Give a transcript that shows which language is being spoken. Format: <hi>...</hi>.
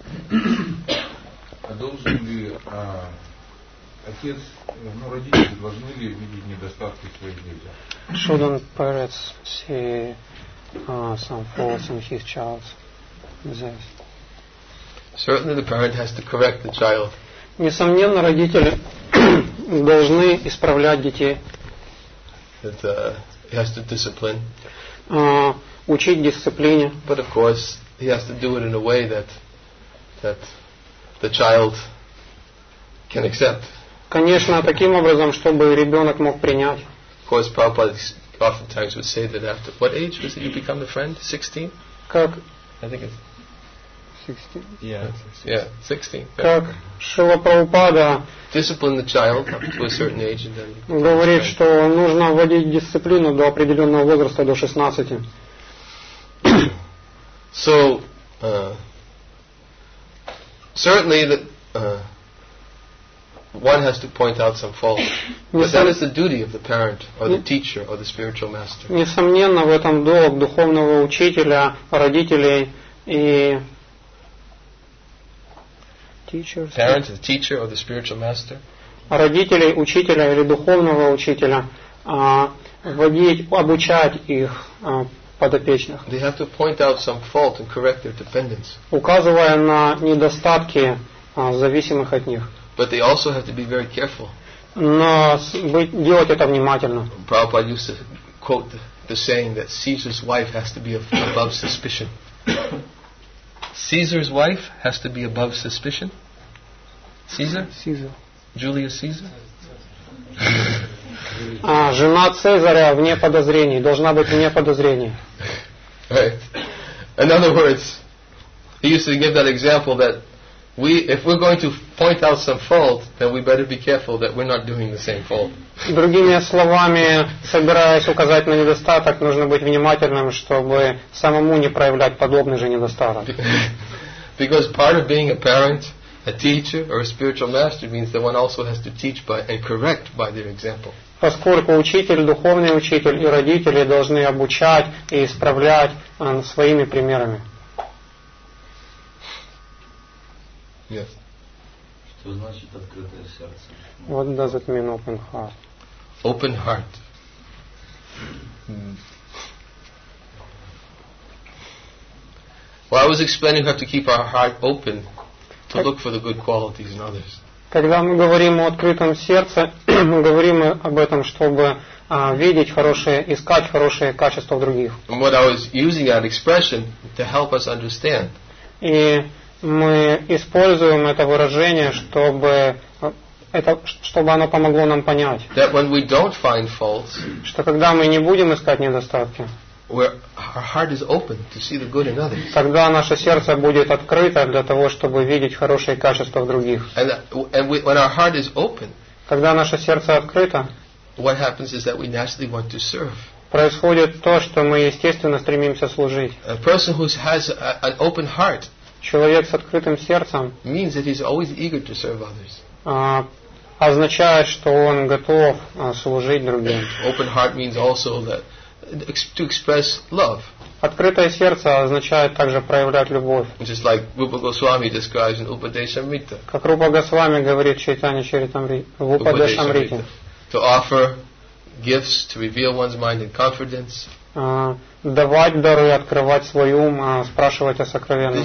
<ru>А должен ли отец, родители должны ли видеть недостатки своих детей?</ru> <en>Shouldn't parents see some faults in his child's this. Certainly the parent has to correct the child.</en> <ru>Несомненно, родители должны исправлять детей.</ru> <en>It has to discipline.</en> <ru>Учить дисциплине.</ru> <en>But of course, he has to do it in a way that the child can accept.</en> <ru>Конечно, таким образом, чтобы ребенок мог принять.</ru> <en>Of course, Prabhupada oftentimes would say that after what age was it you become a friend? 16?</en> <ru>Как?</ru> <en>I think it's 16. Yeah, 16.</en> <ru>Как Шрила Прабхупада</ru> <en>discipline the child up to a certain age and then</en> <ru>говорит, что нужно вводить дисциплину до определенного возраста, до 16.</ru> <en>So certainly that one has to point out some faults. But that is the duty of the parent or the teacher or the spiritual master.</en> <ru>Несомненно, в этом долг духовного учителя, родителей и</ru> <en>teachers, parent of the teacher or the spiritual master.</en> <ru>Родителей, учителя или духовного учителя, вводить, обучать их подопечных.</ru> <en>They have to point out some fault and correct their dependence.</en> <ru>Указывая на недостатки зависимых от них.</ru> <en>But they also have to be very careful.</en> <ru>Но делать это внимательно.</ru> <en>Prabhupada used to quote the saying that Caesar's wife has to be above suspicion. Caesar's wife has to be above suspicion. Caesar? Caesar. Julius Caesar?</en> <ru>Жена Цезаря вне подозрений, должна быть вне подозрений.</ru> <en>Right. In other words, he used to give that example that we, if we're going to point out some fault, then we better be careful that we're not doing the same fault.</en> <ru>Другими словами, собираясь указать на недостаток, нужно быть внимательным, чтобы самому не проявлять подобный же недостаток.</ru> <en>Because part of being a parent, a teacher, or a spiritual master means that one also has to teach by and correct by their example.</en> <ru>Поскольку учитель, духовный учитель и родители должны обучать и исправлять своими примерами.</ru> <en>Yes.</en> <ru>Что значит открытое сердце?</ru> <en>What does it mean, open heart? Open heart. Well, I was explaining how to keep our heart open to look for the good qualities in others.</en> <ru>Когда мы говорим о открытом сердце, мы говорим об этом, чтобы видеть хорошие, искать хорошие качества в других.</ru> <en>And what I was using that expression to help us understand.</en> <ru>И мы используем это выражение, чтобы это, чтобы оно помогло нам понять.</ru> <en>That when we don't find faults,</en> <ru>что когда мы не будем искать недостатки,</ru> <en>our heart is open to see the good in others.</en> <ru>Тогда наше сердце будет открыто для того, чтобы видеть хорошие качества в других.</ru> <en>When our heart is open,</en> <ru>когда наше сердце открыто,</ru> <en>what happens is that we naturally want to serve.</en> <ru>Происходит то, что мы естественно стремимся служить.</ru> <en>A person who has an open heart,</en> <ru>человек с открытым сердцем,</ru> <en>means that he's always eager to serve others.</en> <ru>Означает, что он готов служить другим.</ru> <en>Open heart means also that to express love.</en> <ru>Открытое сердце означает также проявлять любовь.</ru> <en>Just like Rupa Goswami describes in Upadeshamrita.</en> <ru>Как Рупа Госвами говорит в Чайтанья Чаритамрите, в Упадешамрите.</ru> <en>To offer gifts, to reveal one's mind in confidence.</en> <ru>Давать дары, открывать свой ум, спрашивать о сокровенном.</ru>